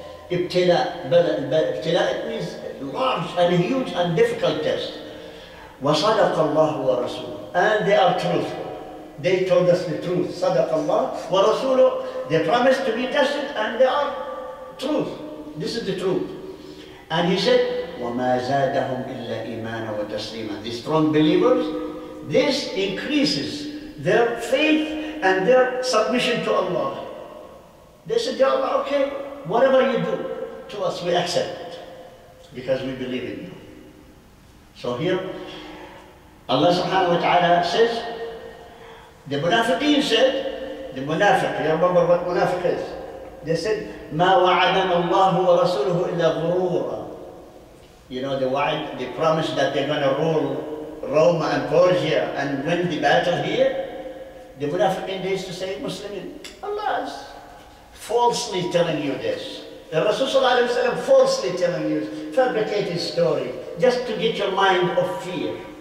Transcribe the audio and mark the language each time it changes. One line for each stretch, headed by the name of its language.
English: Ibtila, it means large and huge and difficult test.
Arabic: وَصَدَقَ اللَّهُ وَرَسُولُهُ.
English: And they are truthful. They told us the truth.
Arabic: صَدَقَ اللَّهُ وَرَسُولُهُ.
English: They promised to be tested and they are truth. This is the truth. And he said,
Arabic: وَمَا زَادَهُمْ إِلَّا إِيمَانًا وَتَسْلِيمًا.
English: These strong believers, this increases their faith and their submission to Allah. They said, ya Allah, okay, whatever you do to us, we accept it because we believe in you. So here, Allah subhanahu wa ta'ala says, the munafiqeen said, the munafiq, you remember what munafiq is? They said,
Arabic: مَا وَعَدَنَا اللَّهُ وَرَسُولُهُ إِلَّا غُرُورًا.
English: You know the wa'id, the promise that they're going to rule Rome and Persia and win the battle here? The munafiqeen, they used to say, Muslimin, Allah is falsely telling you this. The Rasul sallallahu alayhi wa sallam falsely telling you, fabricated story, just to get your mind of fear.